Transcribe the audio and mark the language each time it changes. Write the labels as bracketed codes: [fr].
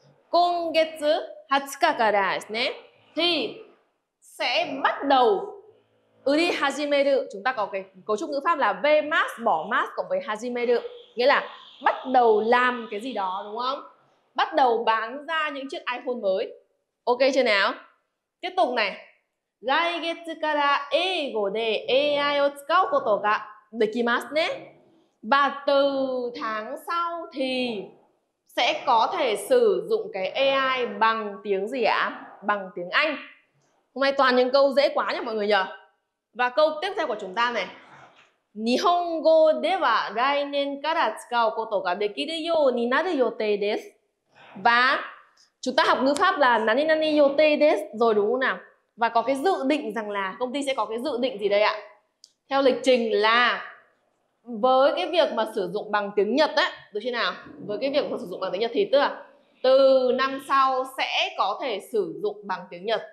[ja] Kongetsu 20 kara desu ne. [vi] Thì sẽ bắt đầu [ja] uri hajimeru. [vi] Chúng ta có cái cấu trúc ngữ pháp là vemasu, bỏ masu cộng với hajimeru. Nghĩa là bắt đầu làm cái gì đó đúng không? Bắt đầu bán ra những chiếc iPhone mới. Ok chưa nào? Tiếp tục này. [ja] 来月から英語で AI を使うことができますね。 [vi] Và từ tháng sau thì sẽ có thể sử dụng cái AI bằng tiếng gì ạ? Bằng tiếng Anh. Hôm nay toàn những câu dễ quá nhỉ mọi người nhờ. Và câu tiếp theo của chúng ta này. [ja] 日本語では来年から使うことができるようになる予定です。 [vi] Và chúng ta học ngữ pháp là 何々予定です rồi đúng không nào? Và có cái dự định rằng là công ty sẽ có cái dự định gì đây ạ? Theo lịch trình là với cái việc mà sử dụng bằng tiếng Nhật ấy, được chưa nào? Với cái việc mà sử dụng bằng tiếng Nhật thì tức là từ năm sau sẽ có thể sử dụng bằng tiếng Nhật.